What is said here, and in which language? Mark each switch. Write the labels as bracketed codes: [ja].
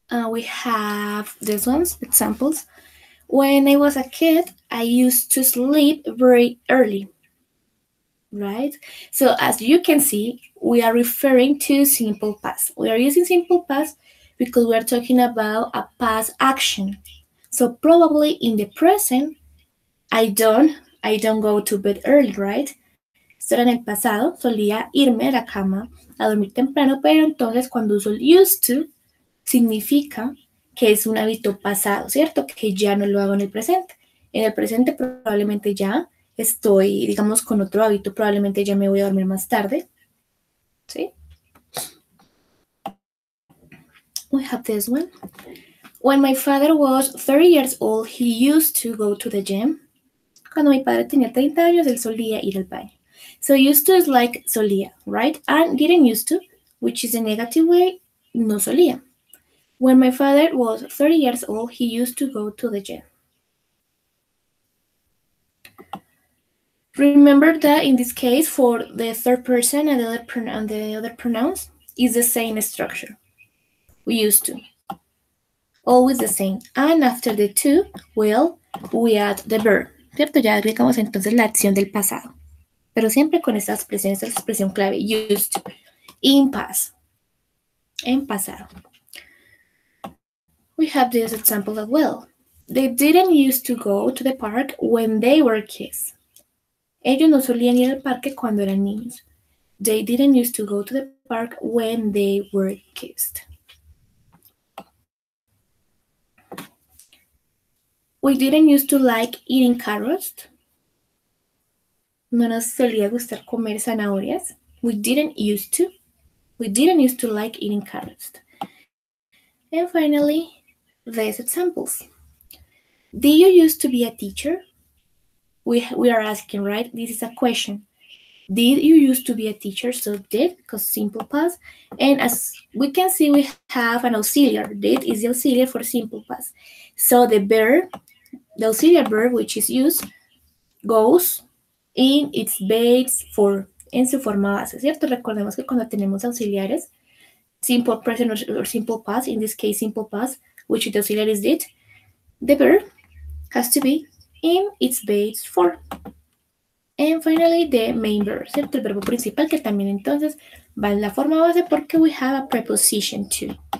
[en] We have these ones, examples. When I was a kid, I used to sleep very early, right? So as you can see, we are referring to simple past. We are using simple past because we are talking about a past action. So probably in the present, I don't go to bed early, right? [es] Esto era en el pasado, solía irme a la cama a dormir temprano, pero entonces cuando uso used to, significa que es un hábito pasado, ¿cierto? Que ya no lo hago en el presente. En el presente probablemente ya estoy, digamos, con otro hábito. Probablemente ya me voy a dormir más tarde. ¿Sí? [en] We have this one. When my father was 30 years old, he used to go to the gym. [es] Cuando mi padre tenía 30 años, él solía ir al baño. [en] So used to is like solía, right? And didn't used to, which is a negative way, [es] no solía. [en] When my father was 30 years old, he used to go to the gym. Remember that in this case, for the third person and the other pronoun is the same structure. We used to. Always the same. And after the two, well, we add the verb. [es] ¿Cierto? Ya agregamos entonces la acción del pasado. Pero siempre con esta expresión, clave, used to. [en] In past. [es] En pasado. [en] We have this example as well. They didn't used to go to the park when they were kids. [es] Ellos no solían ir al parque cuando eran niños. [en] They didn't used to go to the park when they were kissed. We didn't used to like eating carrots. [es] No nos solía gustar comer zanahorias. [en] We didn't used to like eating carrots. And finally, these examples. Do you used to be a teacher? We are asking, right? This is a question. Did you used to be a teacher? So did, because simple past. And as we can see, we have an auxiliar. Did is the auxiliar for simple past. So the verb, the auxiliar verb, which is used, goes in its base for, [es] en su forma base, ¿cierto? Recordemos que cuando tenemos auxiliares, [en] simple present or simple past, in this case, simple past, which the auxiliar is did, the verb has to be in its base for. And finally, the main verb, [es] ¿cierto? El verbo principal, que también entonces va en la forma base porque [en] we have a preposition to.